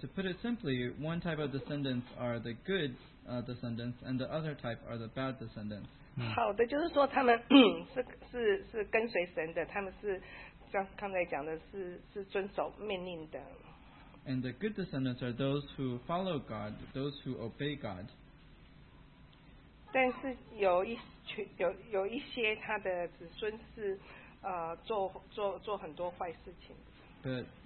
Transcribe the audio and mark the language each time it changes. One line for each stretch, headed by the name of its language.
English: to put it simply, one type of descendants are the good descendants, and the other type are the bad descendants.
Chinese: 好的，就是说他们是跟随神的，他们是像刚才讲的，是遵守命令的。
English: And the good descendants are those who follow God, those who obey God.
Chinese: 但是有一些他的子孙是做很多坏事情。
English: But